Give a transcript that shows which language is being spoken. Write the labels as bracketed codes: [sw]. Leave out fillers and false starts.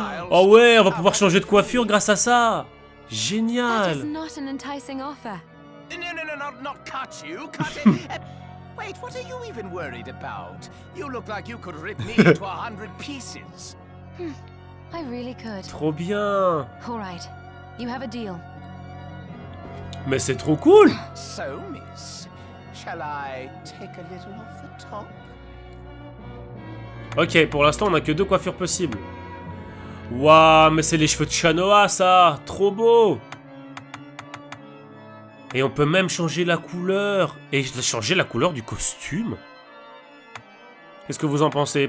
[fr] Oh ouais, on va pouvoir changer de coiffure grâce à ça. Génial. [en] That is not an enticing offer. No, no, no, not cut you, cut it. Wait, what are you even worried about? You look like you could rip me into 100 pieces. I really could. [fr] Trop bien. [en] All right, you have a deal. [fr] Mais c'est trop cool. [en] So, miss, shall I take a little off the top? [fr] Ok, pour l'instant, on a que deux coiffures possibles. Waouh, mais c'est les cheveux de Chanoa, ça. Trop beau. Et on peut même changer la couleur. Et changer la couleur du costume. Qu'est-ce que vous en pensez?